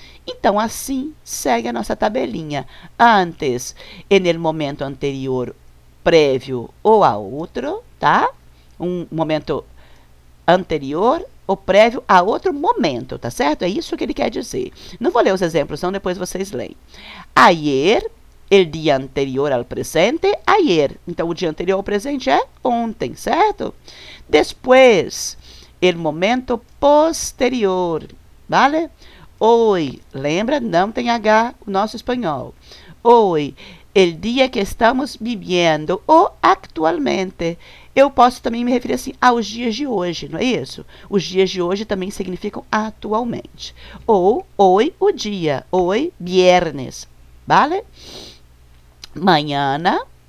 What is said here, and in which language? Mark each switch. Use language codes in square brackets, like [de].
[pt] Então, assim segue a nossa tabelinha. Antes, [es] en el momento anterior, [pt] prévio ou a outro, tá? Um momento anterior. O prévio a outro momento, tá certo? É isso que ele quer dizer. Não vou ler os exemplos, não, depois vocês leem. [es] Ayer, el día anterior al presente, ayer. [pt] Então, o dia anterior ao presente é ontem, certo? [es] Después, el momento posterior, vale? [pt] Hoy, lembra? Não tem H o nosso espanhol. Hoy, [es] el día que estamos viviendo, [pt] ou actualmente. Eu posso também me referir assim aos dias de hoje, não é isso? Os dias de hoje também significam atualmente. Ou, hoy, o dia. Hoy, viernes. Vale? Mañana,